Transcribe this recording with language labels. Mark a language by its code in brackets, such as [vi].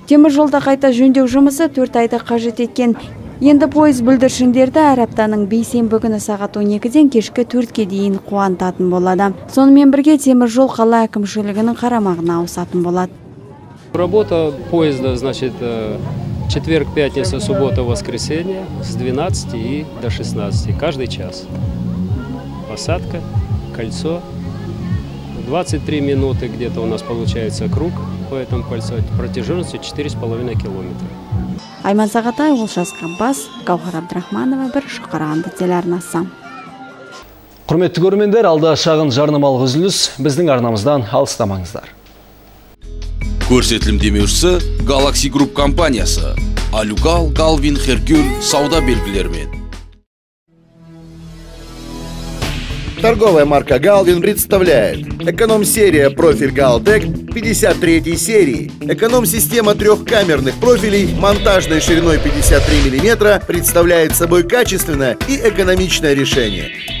[kk] Темір жолда қайта жөндеу жұмысы 4 айда қажет еткен. Енді пойыз бүлдіршіндерді әр аптаның бейсенбі күні сағат 12-ден кешкі 4-ке дейін қуантатын болады. Сонымен бірге темір жол қала әкімшілігінің қарамағына ауысатын болады. [ru] Работа поезда, значит, четверг, пятница, суббота, воскресенье с 12 и до 16, каждый час. Посадка, кольцо, 23 минуты где-то у нас получается круг по этому кольцу, протяженностью 4,5 километра. [kk] Айман Сағатай, Олжас Ғаббас, Гауһар Абдрахманова, бірінші қарағанды телеарнасы. Құрметті көрермендер, алда шағын жарнамалық үзіліс, біздің арнамыздан алыстамаңыздар. Көрсетілім демеушісі Galaxy Group компаниясы. Алюгал, Галвин, Хергюль, сауда белгілермен. [ru] Торговая марка «Галвин» представляет эконом-серия «Профиль Галдек» 53 серии. Эконом-система трехкамерных профилей монтажной шириной 53 мм представляет собой качественное и экономичное решение.